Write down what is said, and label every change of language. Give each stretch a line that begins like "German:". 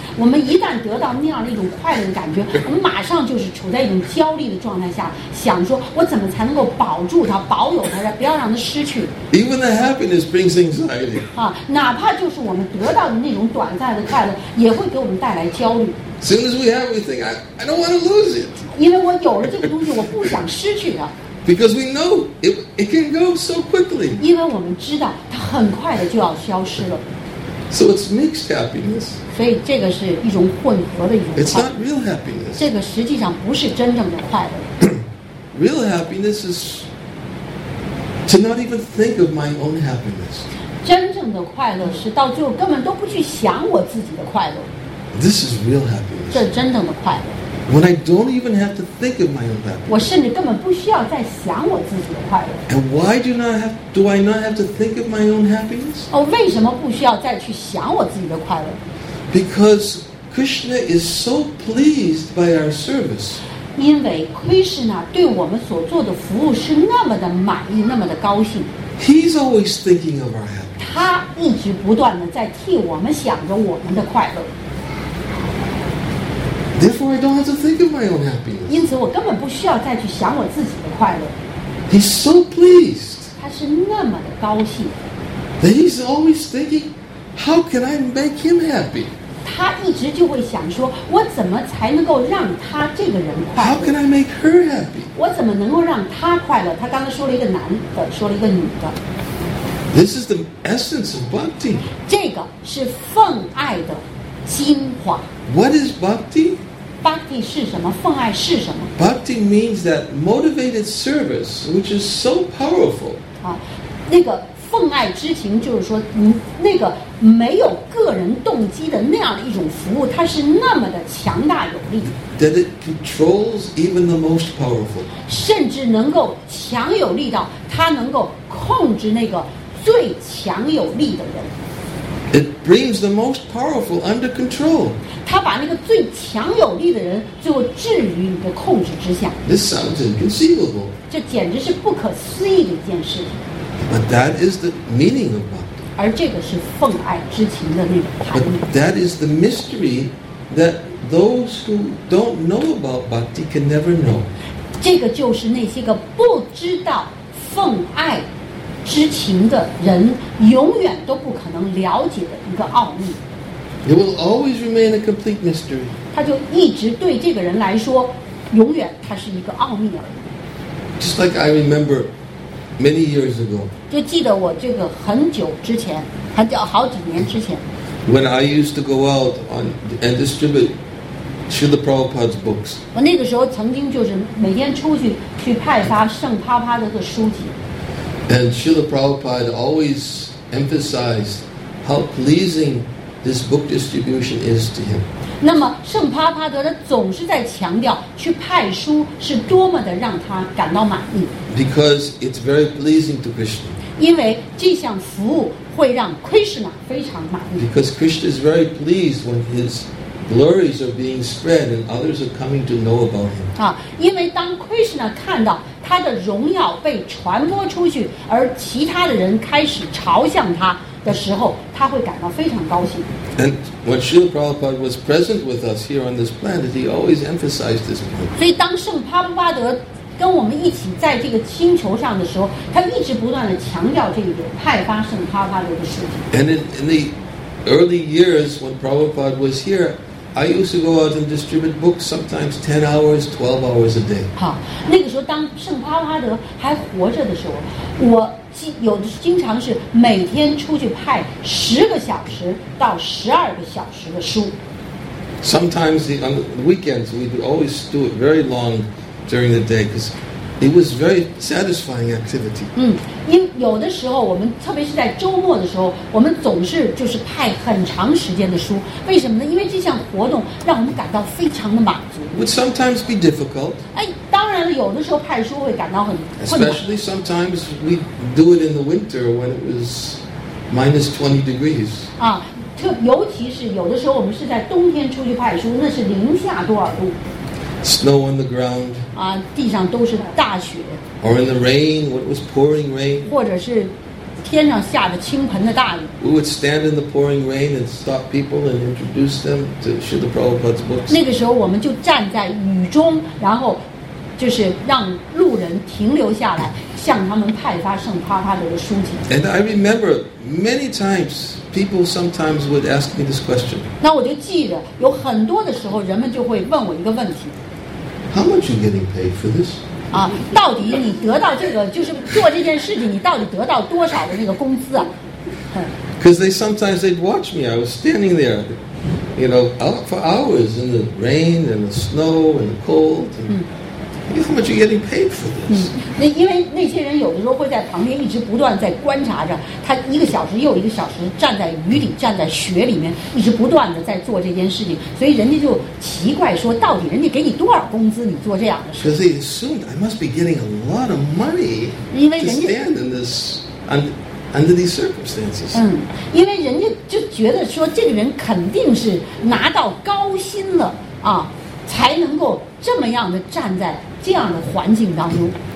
Chinese: 我们一旦得到那样的一种快乐的感觉，我们马上就是处在一种焦虑的状态下，想说我怎么才能够保住它，保有它，不要让它失去。
English: Even the happiness brings anxiety.
Chinese: 啊，哪怕就是我们得到的那种短暂的快乐，也会给我们带来焦虑。
English: As soon as we have, we think, I don't want to lose it.
Chinese: 因为我有了这个东西，我不想失去它。
English: Because we know it can go so quickly.
Chinese: 因为我们知道它很快的就要消失了。
English: So it's mixed happiness.
Chinese: 所以这个是一种混合的一种。
English: It's not real happiness.
Chinese: 这个实际上不是真正的快乐。
English: Real happiness is to not even think of my own happiness.
Chinese: 真正的快乐是到最后根本都不去想我自己的快乐。
English: This is real happiness.
Chinese: 这真正的快乐。
English: When I don't even have to think of my own happiness.
Chinese: 我甚至根本不需要再想我自己的快乐。
English: And why do I not have to think of my own happiness?
Chinese: 哦，为什么不需要再去想我自己的快乐？
English: Because Krishna is so pleased by our service.
Chinese: 因为 Krishna 对我们所做的服务是那么的满意，那么的高兴。
English: He's always thinking of our happiness.
Chinese: 他一直不断的在替我们想着我们的快乐。
English: Therefore, I don't have to think of my own happiness.
Chinese: 因此，我根本不需要再去想我自己的快乐。
English: He's so pleased.
Chinese: 他是那么的高兴。
English: That he's always thinking, how can I make him happy?
Chinese: 他一直就会想说，我怎么才能够让他这个人快乐？
English: How can I make her happy?
Chinese: 我怎么能够让他快乐？他刚才说了一个男的，说了一个女的。
English: This is the essence of bhakti.
Chinese: 这个是奉爱的精华。
English: What is bhakti?
Chinese: Bhakti 是什么？奉爱是什么？
English: Bhakti means that motivated service, which is so powerful.
Chinese: 啊，那个奉爱之情就是说，那个没有个人动机的那样的一种服务，它是那么的强大有力。
English: That it controls even the most powerful.
Chinese: 甚至能够强有力到它能够控制那个最强有力的人。
English: It brings the most powerful under control.
Chinese: 他把那个最强有力的人最后置于你的控制之下。
English: This sounds inconceivable.
Chinese: 这简直是不可思议的一件事情。
English: But that is the meaning of bhakti.
Chinese: 而这个是奉爱之情的那种含义。
English: But that is the mystery that those who don't know about bhakti can never know.
Chinese: 这个就是那些个不知道奉爱知情的人永远都不可能了解的一个奥秘。
English: It will always remain a complete mystery.
Chinese: 他就一直对这个人来说，永远他是一个奥秘而已。
English: Just like I remember many years ago.
Chinese: 就记得我这个很久之前，很久好几年之前。
English: When I used to go out on and distribute Srila Prabhupada's books.
Chinese: 我那个时候曾经就是每天出去派发圣帕帕的书籍。
English: And Srila Prabhupada always emphasized how pleasing this book distribution is to him.
Chinese: 那么圣帕帕德总是在强调去派书是多么的让他感到满意。
English: Because it's very pleasing to Krishna.
Chinese: 因为这项服务会让 Krishna 非常满意。
English: Because Krishna is very pleased when his glories are being spread and others are coming to know about him.
Chinese: 啊，因为当 Krishna 看到他的荣耀被传播出去，而其他的人开始朝向他的时候，他会感到非常高兴。
English: And when Srila Prabhupada was present with us here on this planet, he always emphasized this point.
Chinese: 所以当圣帕帕德跟我们一起在这个星球上的时候，他一直不断地强调这个派发圣帕帕德的事情。
English: And in the early years when Prabhupada was here,I used to go out and distribute books sometimes 10 hours, 12 hours a day.
Chinese: 好，那个时候当圣帕帕德还活着的时候，我有的经常是每天出去派十个小时到十二个小时的书。
English: Sometimes on the weekends we'd always do it very long during the day because it was very satisfying activity.
Chinese: 嗯，因有的时候我们特别是在周末的时候，我们总是就是派很长时间的书。为什么呢？因为这项活动让我们感到非常的满足。
English: Would sometimes be difficult.
Chinese: 哎，当然了，有的时候派书会感到很困难。
English: Especially sometimes we do it in the winter when it was minus 20 degrees.
Chinese: 啊，尤其是有的时候我们是在冬天出去派书，那是零下多少度？
English: Snow on the ground.
Chinese: 啊，地上都是大雪。
English: Or in the rain, when it was pouring rain.
Chinese: 或者是天上下着倾盆的大雨。
English: We would stand in the pouring rain and stop people and introduce them to Srila Prabhupada's books.
Chinese: 那个时候我们就站在雨中，然后就是让路人停留下来，向他们派发圣帕帕德的书籍。
English: And I remember many times people sometimes would ask me this question.
Chinese: 那我就记得有很多的时候，人们就会问我一个问题。
English: How much are you getting paid for this?
Chinese: 啊，到底你得到这个就是做这件事情，你到底得到多少的那个工资啊？
English: Because they sometimes they'd watch me. I was standing there, you know, out for hours in the rain and the snow and the cold. And, how much are you getting paid for this?
Chinese: 那因为那些人有的时候会在旁边一直不断在观察着，他一个小时又一个小时站在雨里、站在雪里面，一直不断的在做这件事情，所以人家就奇怪说，到底人家给你多少工资，你做这样的事？
English: Because they assumed I must be getting a lot of money.
Chinese: 因为人家
English: to stand in this under these circumstances.
Chinese: 嗯，因为人家就觉得说，这个人肯定是拿到高薪了啊，才能够这么样的站在这样的环境当中。